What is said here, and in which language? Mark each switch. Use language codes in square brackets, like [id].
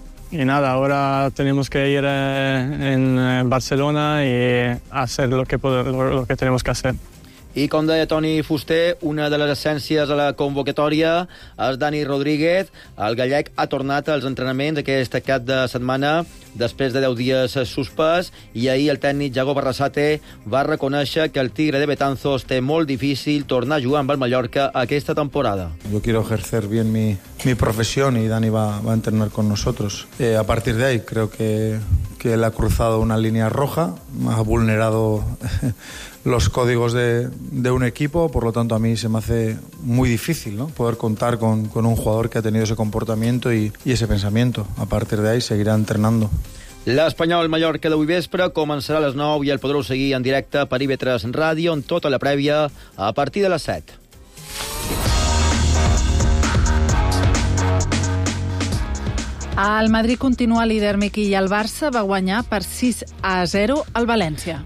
[es] Y nada, ahora tenemos que ir en Barcelona y hacer lo que tenemos que hacer. [ca] I com deia Toni Fuster, una de les essències a la convocatòria és Dani Rodríguez. El gallec ha tornat als entrenaments aquest cap de setmana després de 10 dies suspès i ahir el tècnic Jagoba Arrasate va reconèixer que el Tigre de Betanzos té molt difícil tornar a jugar amb el Mallorca aquesta temporada. [es] Yo quiero ejercer bien mi profesión y Dani va a entrenar con nosotros. A partir de ahí creo que él ha cruzado una línea roja, ha vulnerado los códigos de un equipo, por lo tanto a mí se me hace muy difícil, ¿no?, poder contar con un jugador que ha tenido ese comportamiento y ese pensamiento. A partir de ahí seguirá entrenando. [ca] L'Espanyol Mallorca d'avui vespre començarà a les 9 i el podreu seguir en directe per IB3 Ràdio en tota la prèvia a partir de les 7. El Madrid continua líder, Miqui, i el Barça va guanyar per 6-0 al València.